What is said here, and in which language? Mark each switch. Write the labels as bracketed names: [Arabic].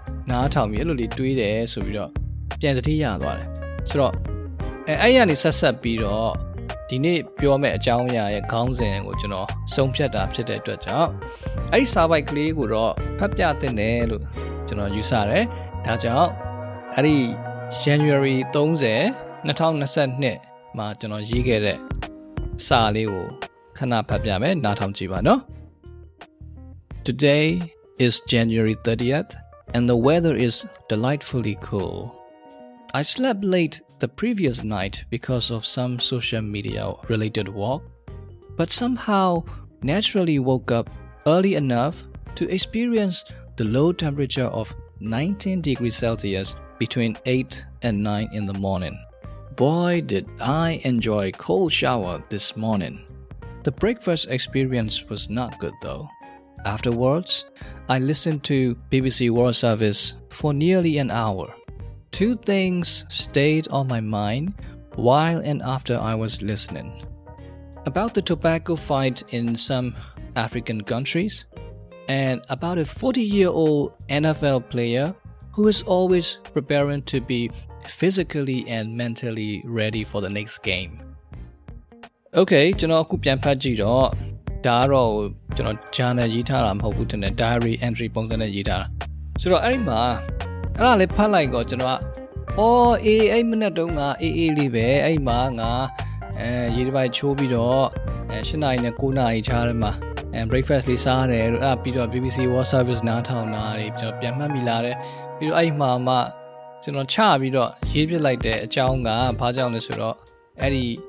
[Burmese] နားထောင်ပြီးအဲ့လိုလေးတွေးတယ်ဆိုပြီးတော့ပြန်သတိရသွားတယ်ဆိုတော့အဲအဲ့ရနေဆက်ဆက်ပြီးတော့ဒီနေ့ပြောမယ့်အကြောင်းအရာရဲ့ခေါင်းစဉ်ကိုကျွန်တော်ဆုံးဖြတ်တာဖြစ်တဲ့အတွက်ကြောင့်အဲ့ဒီ subject ကလေးကိုတော့ဖတ်ပြတင်တယ်လို့ကျွန်တော်ယူဆတယ်ဒါကြောင့်အဲ့ဒီ January 30 2022မှာကျွန်တော်ရေးခဲ့တဲ့စာလေးကို ခဏဖတ်ပြမယ်နားထောင်ကြည့်ပါနော် [English] Today is January 30th and the weather is delightfully cool. I slept late the previous night because of some social media related work, but somehow naturally woke up early enough to experience the low temperature of 19 degrees Celsius between 8 and 9 in the morning. Boy, did I enjoy a cold shower this morning. The breakfast experience was not good though. Afterwards, I listened to BBC World Service for nearly an hour. Two things stayed on my mind while and after I was listening. About the tobacco fight in some African countries, and about a 40-year-old NFL player who is always preparing to be physically and mentally ready for the next game. [Burmese] Okay, ကျွန်တော်အခုပြန်ဖတ်ကြည့်တော့ဒါတော့ကျွန်တော် journal ရေးထားတာမဟုတ်ဘူးတဲ့ diary entry ပုံစံနဲ့ရေးထားတာဆိုတော့အဲ့ဒီမှာအဲ့ဒါလေးဖတ်လိုက်ကောကျွန်တော်ကအော်အေးအဲ့မိနစ်တုန်းကအေးအေးလေးပဲအဲ့ဒီမှာငါအဲရေးတစ်ပိုက်ချိုးပြီးတော့အဲ7နာရီနဲ့9နာရီကြားထဲမှာအဲ breakfast လေးစားတယ်လို့အဲ့ပြီးတော့ BBC World Service နားထောင်တာလေးကျွန်တော်ပြန်မှတ်မိလာတယ်ပြီးတော့အဲ့ဒီမှာမှကျွန်တော်ချပြီးတော့ရေးပြလိုက်တဲ့အကြောင်းကဘာကြောင့်လဲဆိုတော့အဲ့ဒီ